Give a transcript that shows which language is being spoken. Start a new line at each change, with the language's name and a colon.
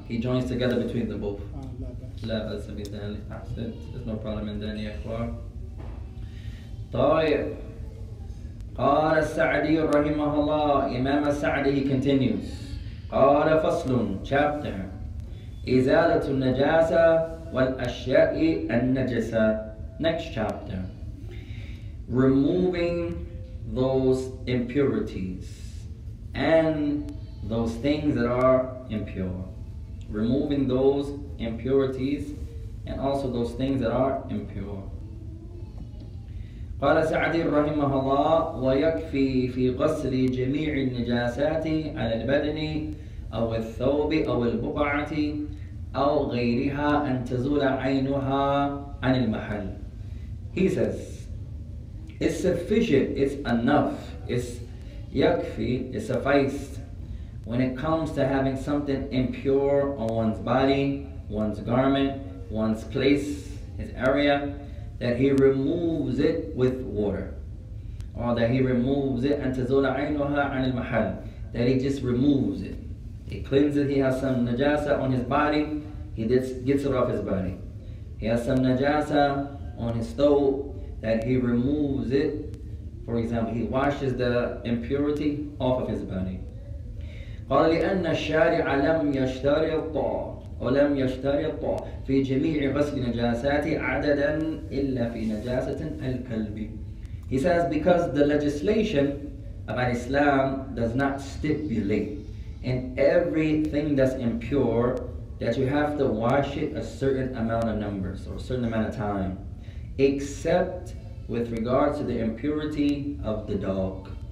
English: He joins together between the both.
Arabic: لا بأس بذلك. أحسنت.
English: There's no problem in that,
Arabic: يا أخوان. طيب قال السعدي رحمه الله إمام السعدي
English: he continues
Arabic: قال فصل
English: chapter
Arabic: إزالة النجاسة والأشياء النجسة
English: next chapter removing those impurities and those things that are impure removing those impurities and also those things that are impure
Arabic: قال سعدي رحمه الله ويكفي في غسل جميع النجاسات على البدن أو الثوب أو البقعة أو غيرها أن تزول عينها عن المحل.
English: He says, it's sufficient, it's enough, it's يكفي, it suffices when it comes to having something impure on one's body, one's garment, one's place, his area. That he removes it with water. Or that he removes it and
Arabic: tazula aynuha an al mahal.
English: That he just removes it. He cleanses it. He has some najasa on his body. He gets it off his body. He has some najasa on his throat. That he removes it. For example, he washes the impurity off of his body.
Arabic: قال لأن الشارع لم يشترط ولم يشترط في جميع غسل نجاسات عددا إلا في نجاسة الكلب.
English: He says because the legislation about Islam does not stipulate in everything that's impure that you have to wash it a certain amount of numbers or a certain amount of time except with regard to the impurity of the dog.